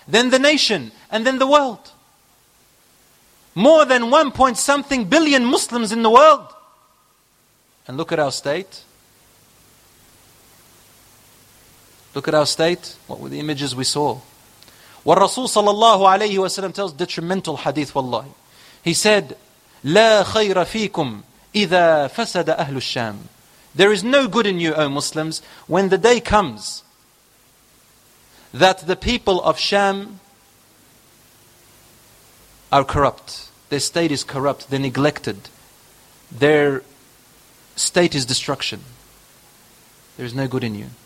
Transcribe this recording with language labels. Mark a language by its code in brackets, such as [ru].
[en] Then the nation, and then the world. More than 1.something billion Muslims in the world. And look at our state. Look at our state. What were the images we saw? What Rasul sallallahu alayhi wa sallam tells, detrimental hadith wallahi. [ar] He said, لا خير فيكم إذا فسد أهل الشام. [en] There is no good in you, O Muslims, when the day comes that the people of Sham are corrupt. Their state is corrupt, they're neglected. Their state is destruction. There is no good in you.